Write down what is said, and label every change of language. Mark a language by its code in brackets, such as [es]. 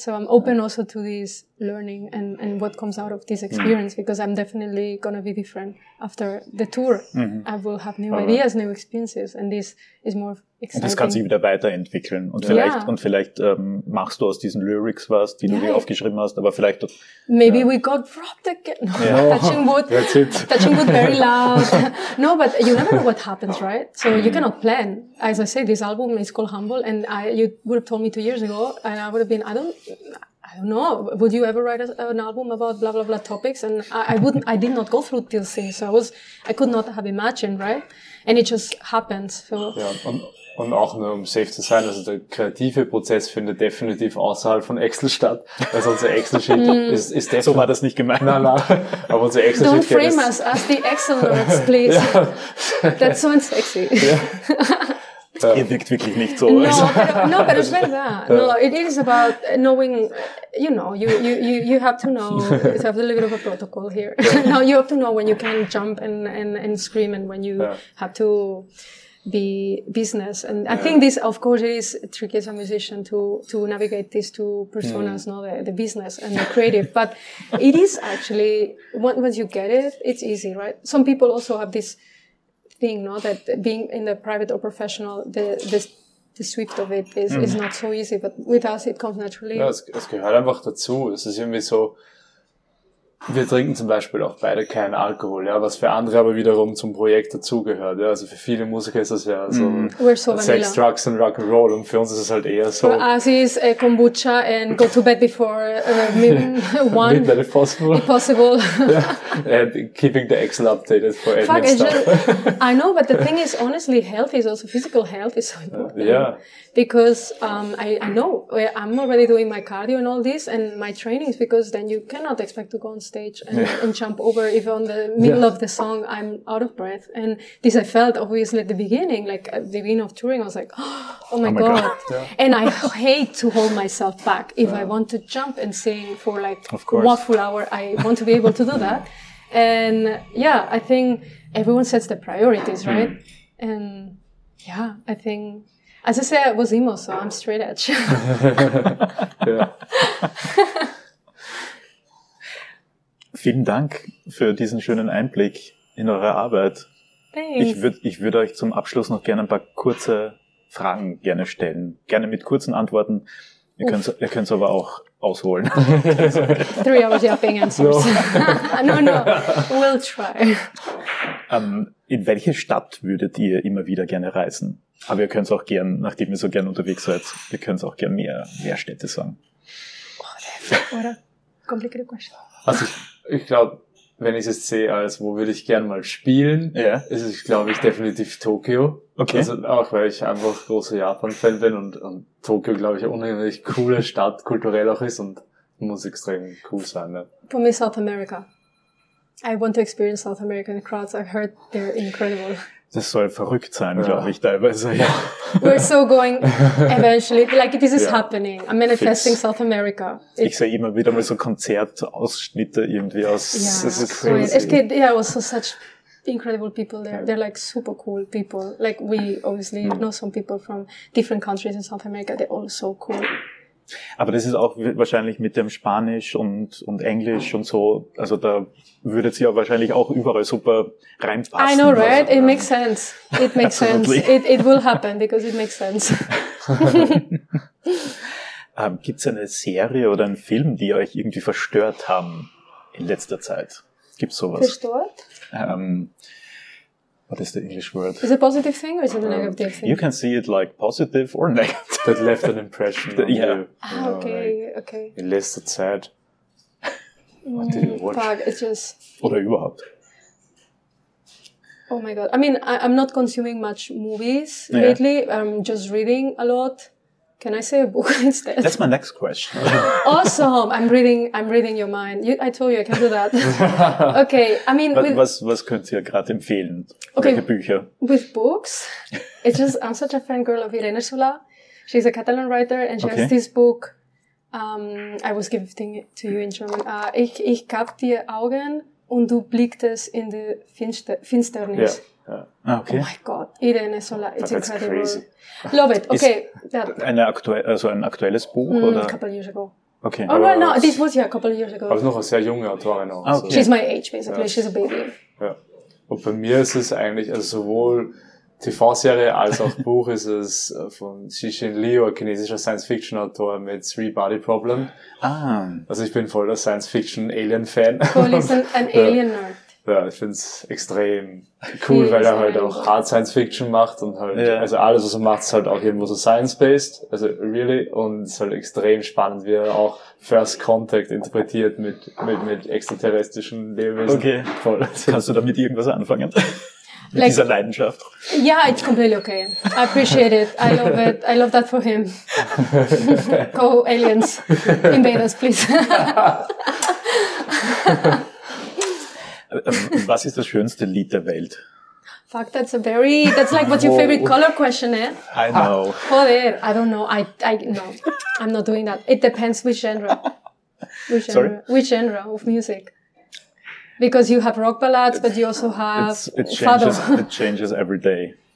[en] So I'm open also to this learning and what comes out of this experience, because I'm definitely gonna be different after the tour. I will have new ideas, new experiences, and this is more exciting. [de] Und das kann sich wieder weiterentwickeln und vielleicht machst du aus diesen Lyrics was, die du dir aufgeschrieben hast, aber vielleicht [en] maybe we got robbed again. Touching wood. That's it. Touching wood very loud. No, but you never know what happens, right? So you cannot plan. As I say, this album is called Humble, and you would have told me 2 years ago, and I would have been, I don't, don't know, would you ever write an album about blah, blah, blah topics? And I did not go through these things. So I could not have imagined, right? And it just happened. So. [de] Ja, und auch nur um safe zu sein, also der kreative Prozess findet definitiv außerhalb von Excel statt. Also unser Excel-Sheet ist so war das nicht gemeint. Nein, nein. Aber unser Excel-Sheet [en] Don't frame us as the Excel-Nerds, please. Ja. That's so unsexy. Ja. [de] Ja. Ihr wirkt wirklich nicht so. [en] No, but it's very bad. No, it is about knowing, you know, you have to know, you have a little bit of a protocol here. Yeah. No, you have to know when you can jump and scream and when you have to be business. And I think this, of course, it is tricky as a musician to navigate these two personas, no, the business and the creative. But it is actually, once you get it, it's easy, right? Some people also have this thing, no, that being in the private or professional, the swift of it is not so easy, but with us it comes naturally. [de] Ja, es gehört einfach dazu. Es ist irgendwie so, wir trinken zum Beispiel auch beide keinen Alkohol, ja, was für andere aber wiederum zum Projekt dazugehört. Ja, also für viele Musiker ist das ja so, so [en] Sex, Drugs and Rock and Roll, [de] und für uns ist es halt eher so. [en] Us is a kombucha and go to bed before one. Midnight if possible. If possible. Yeah. And keeping the Excel updated for admin Fuck, stuff. I know, but the thing is, honestly, health is also, physical health is so important. Yeah. Because I know, I'm already doing my cardio and all this and my trainings, because then you cannot expect to go on stage and, and jump over if on the middle of the song I'm out of breath. And this I felt obviously at the beginning, like at the beginning of touring, I was like, oh my god. And I hate to hold myself back if I want to jump and sing for like one full hour. I want to be able to do that. And yeah, I think everyone sets the priorities, right? And yeah, I think, as I say, I was emo, so I'm straight edge. [de] Vielen Dank für diesen schönen Einblick in eure Arbeit. [en] Thanks. [de] Ich würd euch zum Abschluss noch gerne ein paar kurze Fragen gerne stellen. Gerne mit kurzen Antworten. Ihr könnt es aber auch ausholen. [en] 3 hours yapping answers. No. No, we'll try. [de] In welche Stadt würdet ihr immer wieder gerne reisen? Aber ihr könnt es auch gern, nachdem ihr so gern unterwegs seid, ihr könnt es auch gern mehr Städte sagen. [en] Oh, what a complicated question. [de] Also ich glaube, wenn ich es sehe als, wo würde ich gern mal spielen, ist es, glaube ich, definitiv Tokio. Okay. Also auch, weil ich einfach großer Japan-Fan bin und Tokio, glaube ich, eine unheimlich coole Stadt, kulturell auch ist, und muss extrem cool sein. Ne? [en] For me, South America. I want to experience South American crowds. I heard they're incredible. [de] Das soll verrückt sein, glaube ich, teilweise. Ja. [en] We're so going eventually. Like, this is happening. I'm manifesting Fix. South America. [de] Ich sehe immer wieder mal so Konzertausschnitte irgendwie aus. [en] Yeah, it's crazy. Right. It was so such incredible people there. They're like super cool people. Like, we obviously know some people from different countries in South America. They're all so cool. [de] Aber das ist auch wahrscheinlich mit dem Spanisch und Englisch und so. Also da würdet ihr wahrscheinlich auch überall super reinpassen. [en] I know, right? It makes sense. It makes sense. It will happen, because it makes sense. [de] Gibt's eine Serie oder einen Film, die euch irgendwie verstört haben in letzter Zeit? Gibt's sowas? Verstört? [en] What is the English word? Is it a positive thing or is it a negative thing? You can see it like positive or negative. That left an impression on you. Ah, okay. [de] In letzter Zeit. [en] What did you watch? Fuck, it's just... [de] Oder überhaupt. [en] Oh my god. I mean, I'm not consuming much movies lately. I'm just reading a lot. Can I say a book instead? That's my next question. Awesome. I'm reading your mind. I told you I can do that. Okay. I mean, [de] was könnt ihr gerade empfehlen? Okay. Welche Bücher? [en] With books. It's just, I'm such a fangirl of Irene Solà. She's a Catalan writer and she has this book. I was giving it to you in German. [de] Ich gab dir Augen und du blicktest in die Finsternis. [en] Yeah. Okay. Oh my god, Irene Solà, it's that's incredible. Crazy. Love it, okay. [de] Ein aktuelles Buch, oder? [en] A couple years ago. Okay. Oh, aber no, this was, a couple years ago. [de] Aber es ist noch eine sehr junge Autorin. Auch, [en] okay. So. She's my age, basically, she's a baby. [de] Ja. Und bei mir ist es eigentlich, also sowohl TV-Serie als auch Buch, ist es von Xixin Liu, ein chinesischer Science-Fiction-Autor mit Three-Body-Problem. Ah. Also ich bin voll der Science-Fiction-Alien-Fan. Cool, ist ein Alien-Nerd. Ja, ich finde es extrem cool, weil er halt auch Hard Science Fiction macht und halt, ja. Also alles, was er macht, ist halt auch irgendwo so science-based, also really, und es ist halt extrem spannend, wie er auch First Contact interpretiert mit extraterrestrischen Lebewesen. Okay, voll. Kannst du damit irgendwas anfangen? Mit like, dieser Leidenschaft. [en] Ja, yeah, it's completely okay. I appreciate it. I love it. I love that for him. Go aliens. Invade us, please. [de] Was ist das schönste Lied der Welt? [en] Fuck, that's a very... That's like, what's your favorite color question, eh? I know. Joder, I don't know. No, I'm not doing that. It depends which genre. Which genre? Sorry? Which genre of music? Because you have rock ballads, but you also have It changes every day.